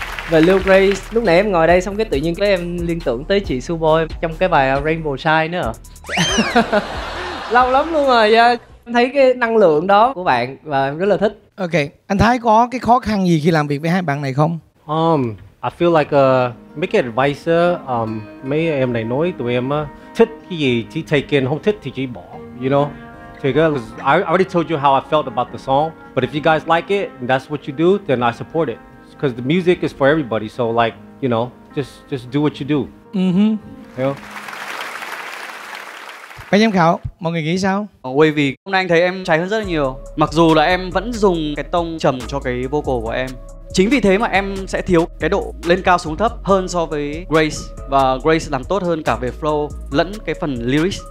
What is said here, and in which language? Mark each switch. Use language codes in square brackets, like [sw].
[vi] Về Lil Grace, lúc nãy em ngồi đây xong cái tự nhiên cái em liên tưởng tới chị Suboy trong cái bài Rainbow Shine nữa. Lâu lắm luôn rồi nha. Em thấy cái năng lượng đó của bạn và em rất là thích. Ok, anh Thái có cái khó khăn gì khi làm việc với hai bạn này không? [en] I feel like a make an advisor. [vi] Mấy em này nói tụi em thích cái gì thì [en] take in, [vi] không thích thì chỉ bỏ. [en] You know, take it. I already told you how I felt about the song. But if you guys like it and that's what you do, then I support it. Because the music is for everybody. So like, you know, just do what you do. Mm-hmm. [vi] Hiểu không? Ban giám khảo, mọi người nghĩ sao? Wavy, hôm nay anh thấy em cháy hơn rất là nhiều. Mặc dù là em vẫn dùng cái tông trầm cho cái vocal của em. Chính vì thế mà em sẽ thiếu cái độ lên cao xuống thấp hơn so với Grace. Và Grace làm tốt hơn cả về flow lẫn cái phần lyrics.